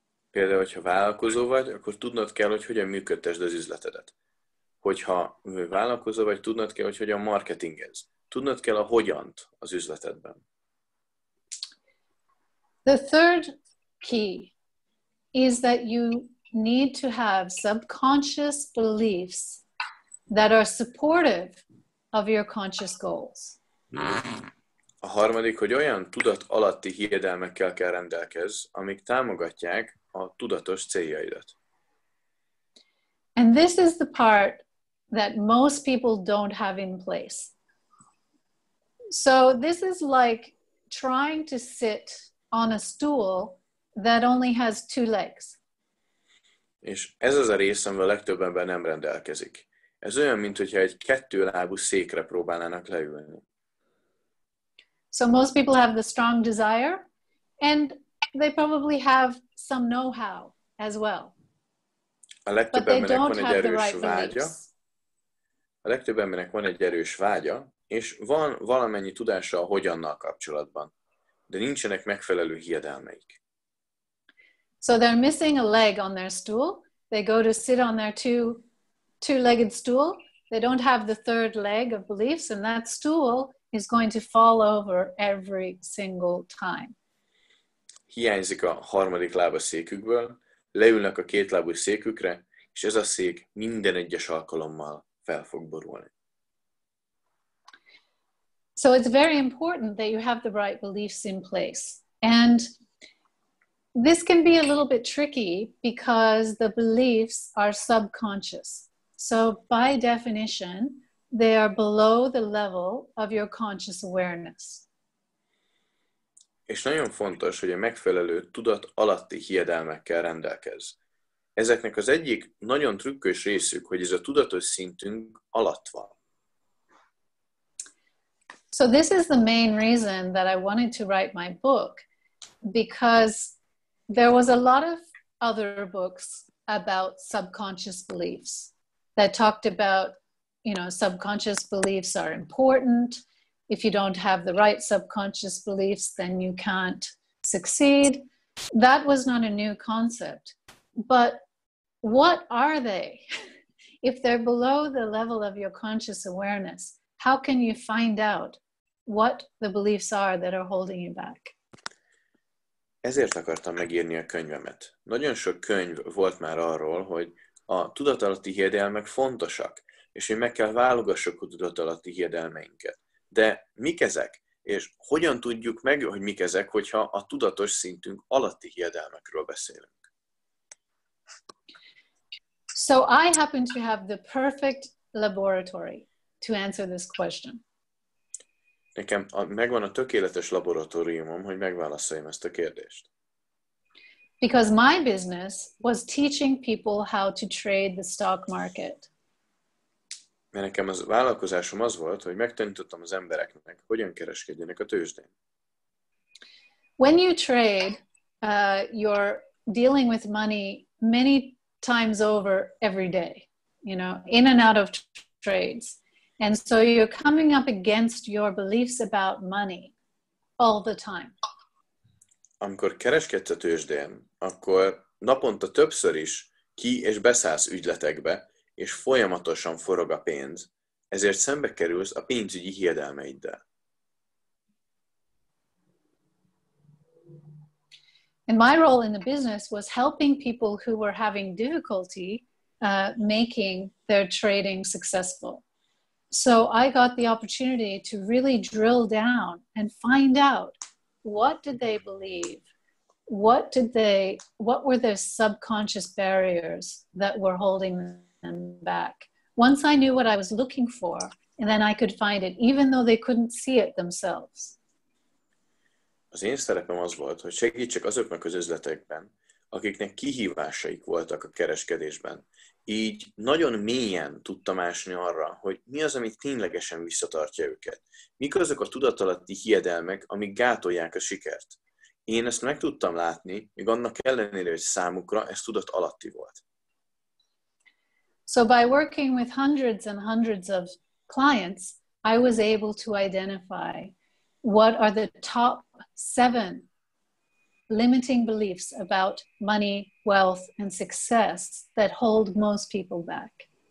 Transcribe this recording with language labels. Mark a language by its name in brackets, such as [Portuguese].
[Hungarian] Például, hogyha vállalkozó vagy, akkor tudnod kell, hogy hogyan működtesd az üzletedet. Hogyha vállalkozó vagy, tudnod kell, hogy hogyan marketingez. Tudnod kell a hogyant az üzletedben. [English] The third key is that you need to have subconscious beliefs that are supportive of your conscious goals. [Hungarian] A harmadik, hogy olyan tudat alatti hiedelmekkel kell rendelkezz, amik támogatják a tudatos céljaidat. [English] And this is the part that most people don't have in place. So this is like trying to sit on a stool that only has two legs. [Hungarian] És ez az a rész, amivel legtöbb ember nem rendelkezik. Ez olyan, mint hogyha egy kettőlábú székre próbálnának leülni. [English] So most people have the strong desire and they probably have some know-how as well. [Hungarian] A legtöbb embernek van egy erős vágya. A legtöbb embernek van egy erős vágya, és van valamennyi tudása a hogyannal kapcsolatban, de nincsenek megfelelő hiedelmeik. [English] So they're missing a leg on their stool. They go to sit on their two-legged stool. They don't have the third leg of beliefs, and that stool is going to fall over every single time. [Hungarian] Hiányzik a harmadik láb a székükből, leülnek a kétlábú székükre, és ez a szék minden egyes alkalommal fel fog borulni. [English] So it's very important that you have the right beliefs in place. And this can be a little bit tricky because the beliefs are subconscious. So by definition, they are below the level of your conscious awareness. [Hungarian] És nagyon fontos, hogy a megfelelő tudat alatti hiedelmekkel rendelkez. Ezeknek az egyik nagyon trükkös részük, hogy ez a tudatos szintünk alatt van. [English] So this is the main reason that I wanted to write my book, because there was a lot of other books about subconscious beliefs that talked about, you know, subconscious beliefs are important. If you don't have the right subconscious beliefs, then you can't succeed. That was not a new concept. But what are they? If they're below the level of your conscious awareness, how can you find out what the beliefs are that are holding you back? [Hungarian] Ezért akartam megírni a könyvemet. Nagyon sok könyv volt már arról, hogy a tudatalatti hiedelmek fontosak, és hogy meg kell válogassuk a tudatalatti hiedelmeinket. De mik ezek? És hogyan tudjuk meg, hogy mik ezek, hogyha a tudatos szintünk alatti hiedelmekről beszélünk? [English] So I happen to have the perfect laboratory to answer this question. [Hungarian] Nekem megvan a tökéletes laboratóriumom, hogy megválaszoljam ezt a kérdést. [English] Because my business was teaching people how to trade the stock market. [Hungarian] Mert nekem az vállalkozásom az volt, hogy megtanítottam az embereknek, hogyan kereskedjenek a tőzsdén. [English] When you trade, you're dealing with money many times over every day. You know, in and out of trades. And so you're coming up against your beliefs about money all the time. [Hungarian] Amikor kereskedsz a tőzsdén, akkor naponta többször is ki és beszállsz ügyletekbe, és folyamatosan forog a pénz, ezért szembe kerülsz a pénzügyi hiedelmeiddel. [English] And my role in the business was helping people who were having difficulty making their trading successful. So I got the opportunity to really drill down and find out what did they believe? What were their subconscious barriers that were holding them back? Once I knew what I was looking for, and then I could find it, even though they couldn't see it themselves. [Hungarian] Az én szerepem az volt, hogy segítsek azoknak az üzletekben, akiknek kihívásaik voltak a kereskedésben. Így nagyon mélyen tudtam ásni arra, hogy mi az, ami ténylegesen visszatartja őket. Mik azok a tudatalatti hiedelmek, amik gátolják a sikert. Én ezt meg tudtam látni, még annak ellenére, hogy számukra ez tudat alatti volt. [English] So by working with hundreds and hundreds of clients, I was able to identify what are the top 7 limiting beliefs about money, wealth, and success that hold most people back.